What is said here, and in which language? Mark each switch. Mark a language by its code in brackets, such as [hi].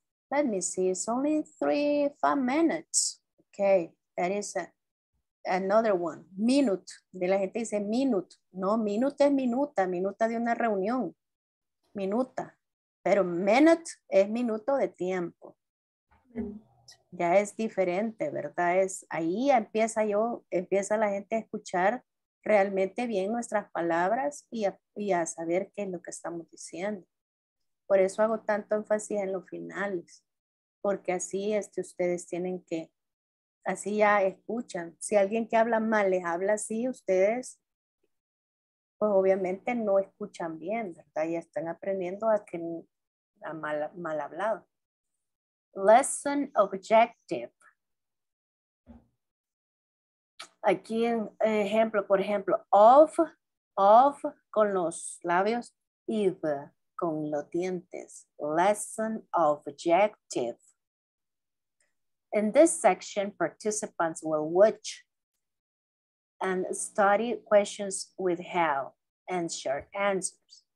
[en] Let me see, it's only 3-5 minutes. Okay, that is another one, minute. [es] De la gente dice minute. No, minute es minuta, minuta de una reunión. Minuta. Pero minute es minuto de tiempo. Ya es diferente, ¿verdad? Es, ahí empieza yo, empieza la gente a escuchar realmente bien nuestras palabras y a saber qué es lo que estamos diciendo. Por eso hago tanto énfasis en los finales, porque así ustedes tienen que, así ya escuchan. Si alguien que habla mal les habla así, ustedes, pues obviamente no escuchan bien, ¿verdad? Ya están aprendiendo a que a mal hablado. [en] Lesson objective. [es] Aquí en ejemplo, por ejemplo, of con los labios, if con los dientes. [en] Lesson objective. In this section, participants will watch and study questions with how and short answers.